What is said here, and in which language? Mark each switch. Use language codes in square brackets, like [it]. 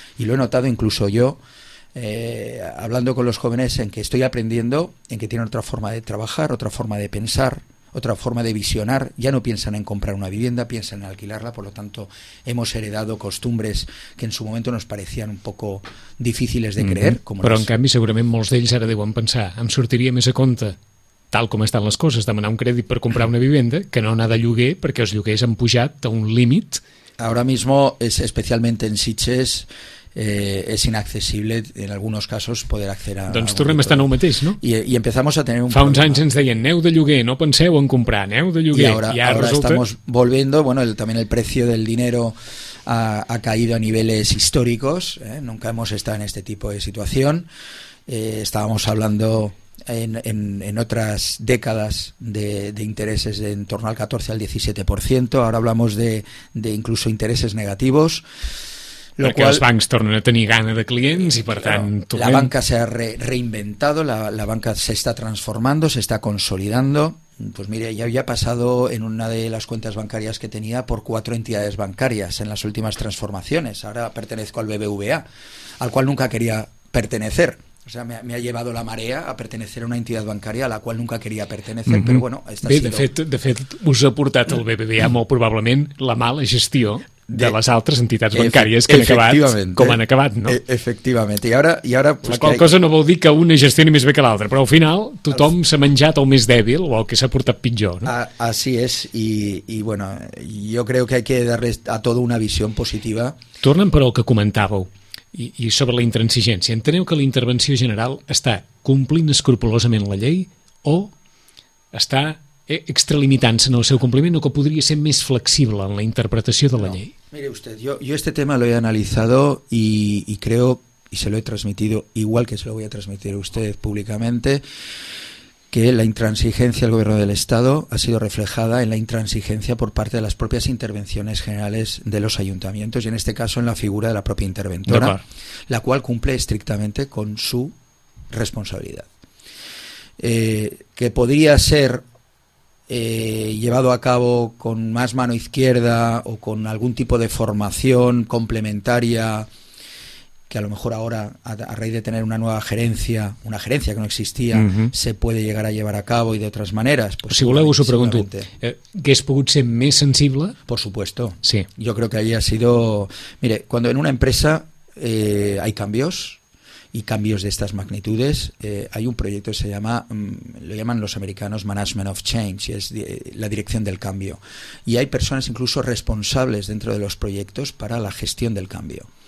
[es] Y lo he notado incluso yo, hablando con los jóvenes, en que estoy aprendiendo, en que tienen otra forma de trabajar, otra forma de pensar, otra forma de visionar. Ya no piensan en comprar una vivienda, piensan en alquilarla. Por lo tanto, hemos heredado costumbres que en su momento nos parecían un poco difíciles de creer. [ca] En canvi, segurament molts d'ells ara deuen pensar: em sortiria més a compte, tal com estan les coses, demanar un crèdit per comprar una vivienda que no anar de lloguer, perquè els lloguers han pujat a un límit. [es] Ahora mismo, es especialmente en Sitges, es inaccessible en algunos casos poder acceder a... [ca] Doncs tornem a estar en el mateix, no? [es] I empezamos a tener un... [ca] Fa uns anys ens deien: aneu de lloguer, no penseu en comprar, aneu de lloguer. I ara resulta... [es] estamos volviendo, bueno, también el precio del dinero ha caído a niveles históricos, nunca hemos estado en este tipo de situación. Estábamos hablando en otras décadas de intereses de en torno al 14 al 17%, ahora hablamos de incluso intereses negativos. [ca] Perquè els bancs tornen a tenir gana de clients, i per tant... [es] La banca se ha reinventado, la banca se está transformando, se está consolidando. Pues mire, ya había pasado en una de las cuentas bancarias que tenía por 4 entidades bancarias en las últimas transformaciones. Ahora pertenezco al BBVA, al cual nunca quería pertenecer. O sea, me ha llevado la marea a pertenecer a una entidad bancaria a la cual nunca quería pertenecer, pero bueno... [ca] De fet, us ha portat el BBVA molt probablement la mala gestió de les altres entitats bancàries que han acabat com han acabat, no? Efectivament. I ara pues, la qual crec... cosa no vol dir que una gestioni més bé que l'altra, però al final tothom s'ha menjat el més dèbil o el que s'ha portat pitjor, no? [es] Así es, y bueno, yo creo que hay que darle a todo una visión positiva. [ca] Tornem però al que comentàveu, i sobre la intransigència. Enteneu que la intervenció general està complint escrupolosament la llei o està extralimitant-se en el seu compliment, o que podria ser més flexible en la interpretació de la llei? [es] Mire usted, yo este tema lo he analizado y creo, y se lo he transmitido, igual que se lo voy a transmitir a usted públicamente, que la intransigencia del gobierno del Estado ha sido reflejada en la intransigencia por parte de las propias intervenciones generales de los ayuntamientos, y en este caso en la figura de la propia interventora, la cual cumple estrictamente con su responsabilidad. Que podría ser llevado a cabo con más mano izquierda o con algún tipo de formación complementaria, que a lo mejor ahora, a raíz de tener una nueva gerencia, una gerencia que no existía, se puede llegar a llevar a cabo, y de otras maneras. [ca] Pues, si voleu, us ho pregunto. ¿Que es pogut ser més sensible? [es] Por supuesto. Sí. Yo creo que ahí ha sido... Mire, cuando en una empresa hay cambios y cambios de estas magnitudes, hay un proyecto que se llama, lo llaman los americanos Management of Change, y es la dirección del cambio. Y hay personas incluso responsables dentro de los proyectos para la gestión del cambio.